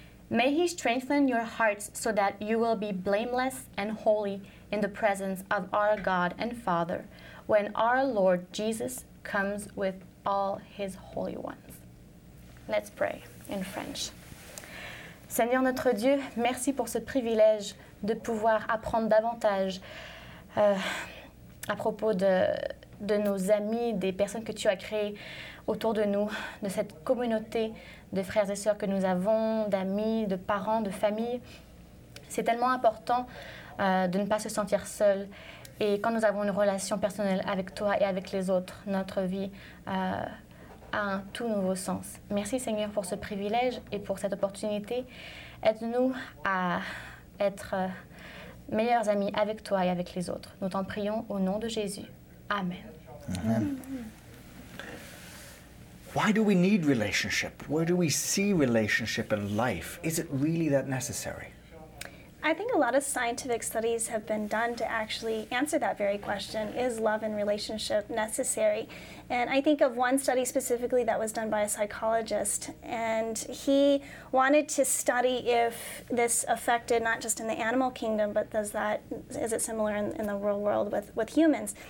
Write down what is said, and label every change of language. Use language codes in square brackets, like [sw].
[en] May he strengthen your hearts so that you will be blameless and holy in the presence of our God and Father when our Lord Jesus comes with all his holy ones. Let's pray in French. [fr] Seigneur notre Dieu, merci pour ce privilège de pouvoir apprendre davantage à propos de nos amis, des personnes que tu as créées autour de nous, de cette communauté de frères et sœurs que nous avons, d'amis, de parents, de familles. C'est tellement important de ne pas se sentir seul. Et quand nous avons une relation personnelle avec toi et avec les autres, notre vie a un tout nouveau sens. Merci Seigneur pour ce privilège et pour cette opportunité. Aide-nous à être meilleurs amis avec toi et avec les autres. Nous t'en prions au nom de Jésus. Amen. Amen. [en] Why do we need relationship? Where do we see relationship in life? Is it really that necessary? I think a lot of scientific studies have been done to actually answer that very question. Is love and relationship necessary? And I think of one study specifically that was done by a psychologist, and he wanted to study if this affected not just in the animal kingdom, but is it similar in the real world with humans?